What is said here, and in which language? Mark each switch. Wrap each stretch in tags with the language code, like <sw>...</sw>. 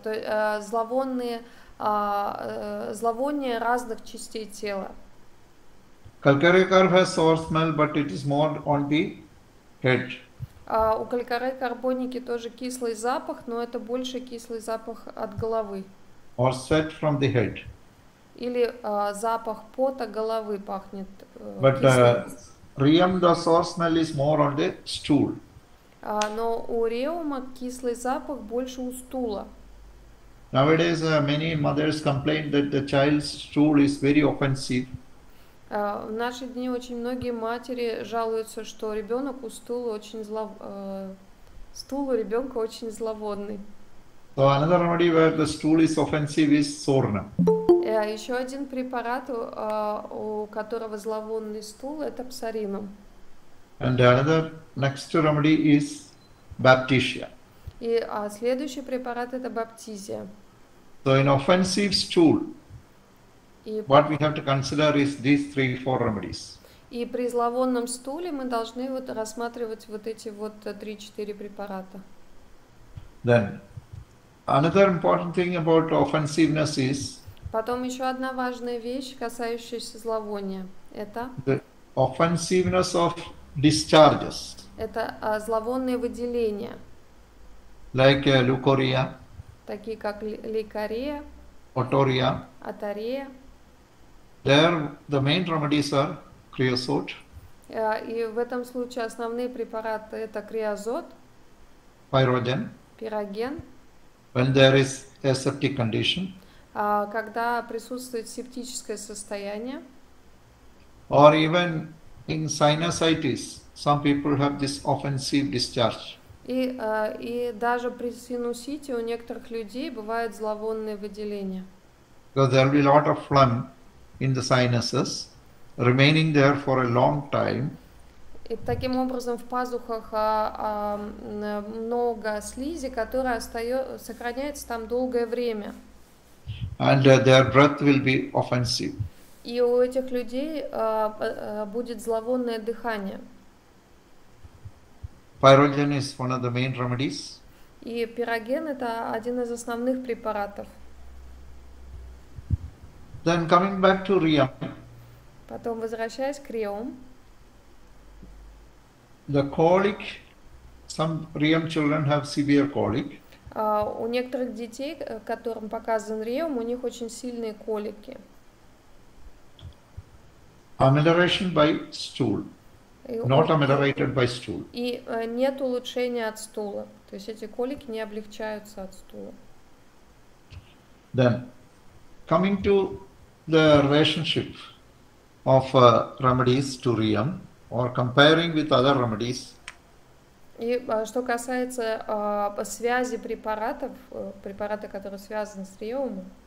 <ru>То есть зловонные, зловоние разных частей тела.</ru> <en>Calcarecarb has sour smell, but it is more on the head.</en> <ru>У калькарекарбоники тоже кислый запах, но это больше кислый запах от головы.</ru> <en>Or sweat from the head.</en> <ru>Или запах пота головы пахнет.</ru> <en>But Riem, the sour smell is more on the stool.</en> <ru>Но у Реума кислый запах больше у стула.</ru> <en>Nowadays many mothers complain that the child's stool is very offensive.</en> <ru>В наши дни очень многие матери жалуются, что ребенок у стула очень стул у ребенка очень зловонный.</ru> <en>So another remedy where the stool is offensive is Sorna.</en> <ru>Еще один препарат, у которого зловонный стул, это псаринум.</ru> <en>And another next remedy is baptisia.</en> <ru>И следующий препарат это баптизия.</ru> <en>So in offensive stool, what we have to consider is these three, four remedies.</en> <ru>И при зловонном стуле мы должны вот рассматривать вот эти вот 3-4 препарата.</ru> <en>Then another important thing about offensiveness is.</en> <ru>Потом еще одна важная вещь, касающаяся зловония, это.</ru> <en>The offensiveness of discharges.</en> <ru>Это зловонные выделения.</ru> <en>Like leucorrhea.</en> <ru>Такие как лейкория. Оторрия. Оторрия.</ru> <en>There the main remedies are creosote.</en> <ru>И в этом случае основные препараты это креозот. Пироген. Пироген.</ru> <en>When there is a septic condition.</en> <ru>Когда присутствует септическое состояние.</ru> <en>Or even in sinusitis, some people have this offensive discharge.</en> <ru>И даже при синусите у некоторых людей бывают зловонные выделения.</ru> <en>because there will be a lot of phlegm in the sinuses remaining there for a long time.</en> <ru>И таким образом в пазухах много слизи, которая остается, сохраняется там долгое время.</ru> <en>And their breath will be offensive.</en> <ru>И у этих людей будет зловонное дыхание.</ru> <en>Pyrogen is one of the main remedies.</en> <ru>И пироген — это один из основных препаратов.</ru> <en>Then coming back to Riyam.</en> <ru>Потом возвращаясь к Риам.</ru> <en>The colic, some Riyam children have severe colic.</en> <ru>У некоторых детей, которым показан Риам, у них очень сильные колики.</ru> <en>Amelioration by stool, not ameliorated by stool.</en> <ru>И нет улучшения от стула, то есть эти колики не облегчаются от стула.</ru> <en>Then, coming to the relationship of remedies to Riyam, or comparing with other remedies.</en> <ru>И что касается связи препаратов, препараты, которые связаны с Риам.</ru>